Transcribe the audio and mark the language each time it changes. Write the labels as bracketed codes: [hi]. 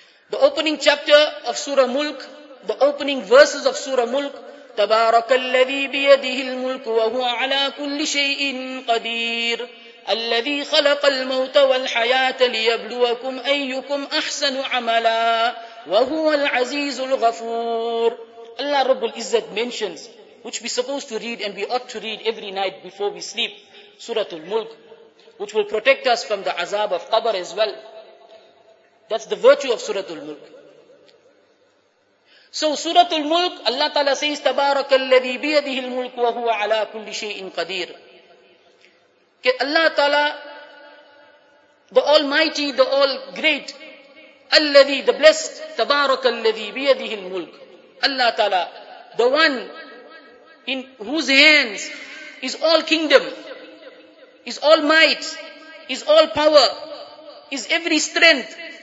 [en] The opening chapter of Surah Mulk, the opening verses of Surah Mulk, [ar] تَبَارَكَ الَّذِي بِيَدِهِ الْمُلْكُ وَهُوَ عَلَىٰ كُلِّ شَيْءٍ قَدِيرٍ الَّذِي خَلَقَ الْمَوْتَ وَالْحَيَاةَ لِيَبْلُوَكُمْ أَيُّكُمْ أَحْسَنُ عَمَلًا وَهُوَ الْعَزِيزُ الْغَفُورُ [en] Allah Rabbul Izzat mentions, which we're supposed to read and we ought to read every night before we sleep, Suratul Mulk, which will protect us from the azab of Qabr as well. That's the virtue of Suratul Mulk. So Suratul Mulk, Allah Ta'ala says, [ar] تَبَارَكَ الَّذِي بِيَدِهِ الْمُلْكُ وَهُوَ عَلَىٰ كُلِّ شَيْءٍ قَدِيرٍ. [en] Allah Ta'ala the Almighty, the All Great, Alladhi, the Blessed, Tabarak Alladhi Biyadihi Al-Mulk, Allah Ta'ala, the one in whose hands is all kingdom, is all might, is all power, is every strength.